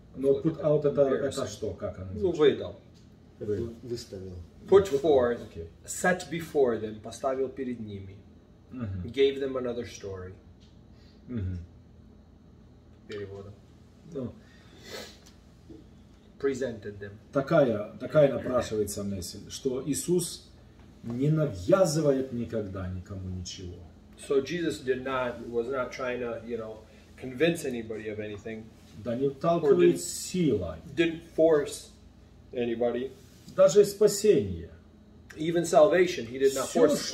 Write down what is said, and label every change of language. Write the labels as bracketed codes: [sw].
[ru] Но [en] put out [ru] это что, как оно? Ну, выдал. Выставил. [en] Put forth, okay. Set before them, [ru] поставил перед ними. [en] Uh-huh. Gave them another story. Uh-huh. [ru] Переводом. Ну. [en] Presented them. [ru] Такая напрашивается мысль, что Иисус не навязывает никогда никому ничего. [en] So Jesus did not, was not trying to, you know, convince anybody of anything. [ru] Да не толкует силой. [en] Didn't force anybody. [ru] Даже спасение. [en] Even salvation, he did not force